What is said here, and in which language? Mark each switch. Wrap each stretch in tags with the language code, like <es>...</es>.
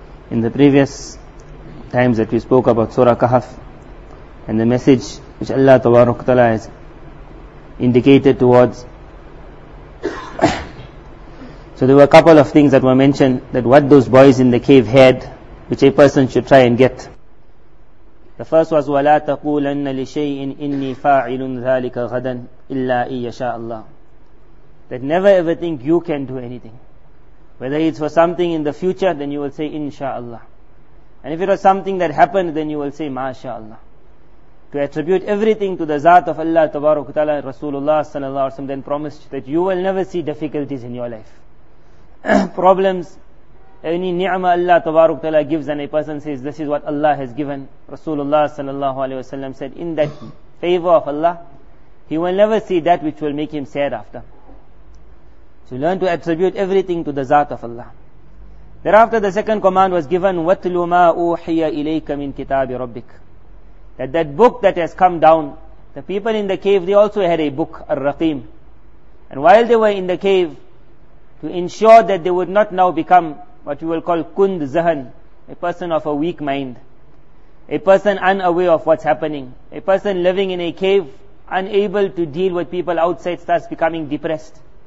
<en>In the previous times that we spoke about Surah Kahf and the message which Allah Tabarak wa Ta'ala has indicated towards, so there were a couple of things that were mentioned, that what those boys in the cave had, which a person should try and get. The first was,</en> <ar>وَلَا تَقُولَنَّ لِشَيْءٍ إِنِّي فَاعِلٌ ذَلِكَ غَدًا إِلَّا إِيَّ شَاءَ اللَّهُ.</ar> <en>That never ever think you can do anything. Whether it's for something in the future, then you will say insha'Allah. And if it was something that happened, then you will say masha'Allah. To attribute everything to the Zat of Allah Tabarak wa Ta'ala, Rasulullah sallallahu alaihi wasallam then promised that you will never see difficulties in your life. Problems, any ni'mah Allah Tabarak wa Ta'ala gives, and a person says, this is what Allah has given. Rasulullah sallallahu alaihi wasallam said, in that favor of Allah, he will never see that which will make him sad after. So learn to attribute everything to the Zat of Allah. Thereafter, the second command was given,</en> <ar>وَتْلُ مَا أُوحِيَ إِلَيْكَ مِنْ كِتَابِ رَبِّكَ.</ar> <en>That book that has come down, the people in the cave, they also had a book, الرقيم. And while they were in the cave, to ensure that they would not now become what you will call</en> <ur>kund zahan,</ur> <en>a person of a weak mind, a person unaware of what's happening, a person living in a cave, unable to deal with people outside, starts becoming depressed.</en>